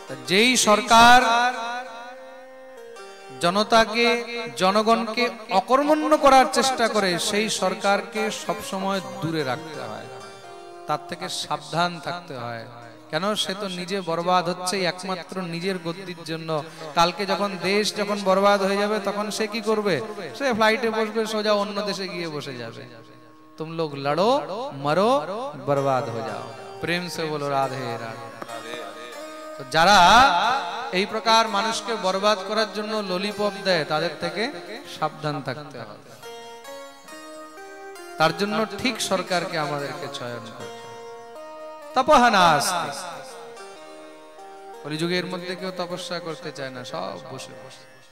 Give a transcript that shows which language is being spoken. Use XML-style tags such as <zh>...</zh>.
<bn>যেই সরকার জনতাকে জনগণকে অকর্মণ্য করার চেষ্টা করে সেই সরকারকে সবসময় দূরে রাখতে হয়, তার থেকে সাবধান থাকতে হয়, কেন সে তো নিজে বরবাদ হচ্ছে একমাত্র নিজের গদ্দির জন্য, কালকে যখন দেশ যখন বরবাদ হয়ে যাবে তখন সে কি করবে, সে ফ্লাইটে বসবে সোজা অন্য দেশে গিয়ে বসে যাবে,</bn> <hi>तुम लोग लड़ो मरो बर्बाद हो जाओ। प्रेम से बोलो राधे राधे। तो जरा</hi> <bn>এই প্রকার মানুষকে বরবাদ করার জন্য ললিপপ দেয় তাদের থেকে সাবধান থাকতে হবে। তার জন্য ঠিক সরকারকে আমাদেরকে চয়ন করতে। তপহানাস কলিযুগের মধ্যে কেউ তপস্যা করতে চায় না, সব বসে বসে।</bn>